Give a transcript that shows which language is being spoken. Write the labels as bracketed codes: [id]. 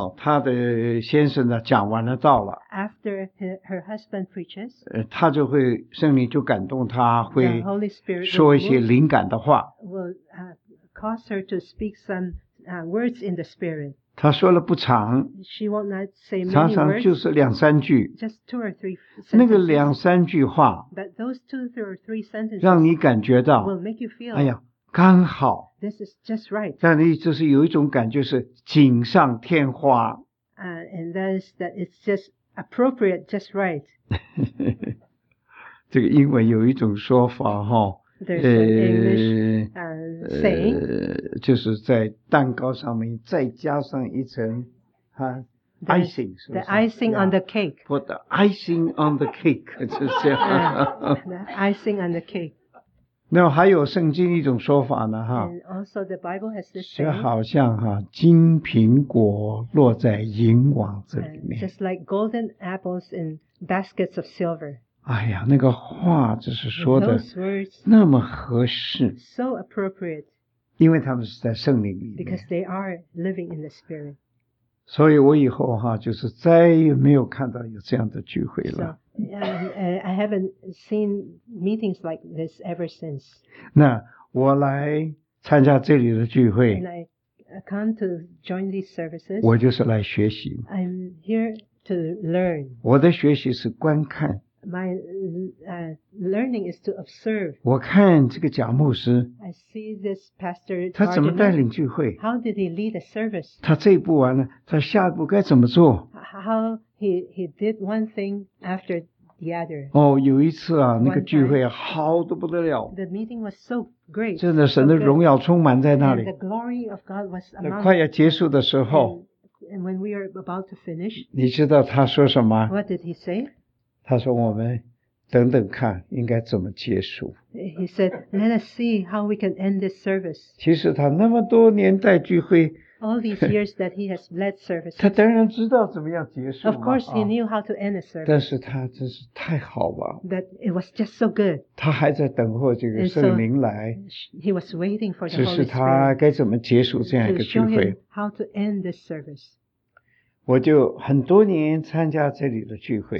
[zh] 他的先生呢讲完了道了 [en] after her husband preaches, [zh] 他就会圣灵就感动他会 [en] the Holy Spirit [zh] 说一些灵感的话 [en] will cause her to speak some words in the spirit. [zh] 他说了不长 [en] she will not say many [zh] 常常就是两三句 [en] just two or three sentences, [zh] 那个两三句话 [en] but those two or three sentences [zh] 让你感觉到 [en] will make you feel, [zh] 哎呀刚好 [en] this is just right. [zh] 让你就是有一种感觉是锦上添花 [en] and that is that it's just appropriate, just right. [zh] 这个英文有一种说法哦 [en] There's an English saying. [zh] 就是在蛋糕上面再加上一层icing. [en] The icing on the cake. Put the icing on the cake. [zh] 就是这样。 [en] The icing on the cake. [zh] 那还有圣经一种说法呢哈。 [en] And also the Bible has this saying. [zh] 就好像哈金苹果落在银网子里面。 [en] Just like golden apples in baskets of silver. [zh] 哎呀那个话就是说的那么合适 [en] so appropriate, [zh] 因为他们是在圣灵里面 [en] because they are living in the spirit. [zh] 所以我以后哈就是再也没有看到有这样的聚会了 [en] so, I haven't seen meetings like this ever since [zh] 那我来参加这里的聚会 [en] and I come to join these services [zh] 我就是来学习 [en] I'm here to learn [zh] 我的学习是观看 [en] My learning is to observe. [zh] 我看这个贾牧师 [en] I see this pastor. [zh] 他怎么带领聚会 [en] How did he lead a service? [zh] 他这一步完了，他下一步该怎么做 [en] How he did one thing after together. [zh] 哦，有一次啊，那个聚会好得不得了。 [en] The meeting was so great. [zh] 真的，神的荣耀充满在那里。 [en] And the glory of God was among. [zh] 快要结束的时候。 [en] And when we are about to finish. [zh] 你知道他说什么？ [en] What did he say? [zh] 他说我们等等看应该怎么结束。 [en] He said, "Let us see how we can end this service." [zh] 其实他那么多年代聚会。 [en] All these years that he has led services. [zh] 他当然知道怎么样结束。 [en] Of course, he knew how to end a service. [zh] 但是他真是太好了。 [en] That it was just so good. [zh] 他还在等候这个圣灵来。 [en] He was waiting for the Holy Spirit. [zh] 只是他该怎么结束这样一个聚会。 [en] To show him how to end this service. [zh] 我就很多年参加这里的聚会。